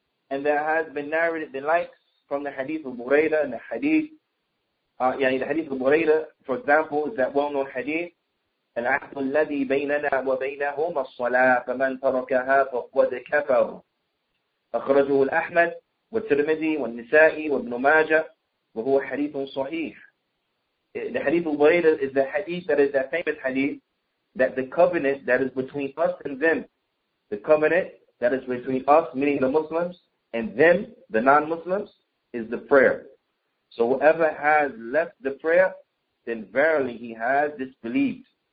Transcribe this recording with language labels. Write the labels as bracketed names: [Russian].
[English] And there has been narrated the likes from the hadith of بريدة and the hadith, يعني the hadith of بريدة, for example, is that well-known hadith, [Arabic] العهد الذي بيننا وبينهما الصلاة فمن تركها فقد كفر. أخرجه الأحمد والترمذي والنسائي وابن ماجه وهو حديث صحيح. [English] The hadith of Bureyda is the hadith that is that famous hadith that the covenant that is between us and them, the covenant that is between us, meaning the Muslims, and them, the non-Muslims, is the prayer. So whoever has left the prayer, then verily he has disbelieved.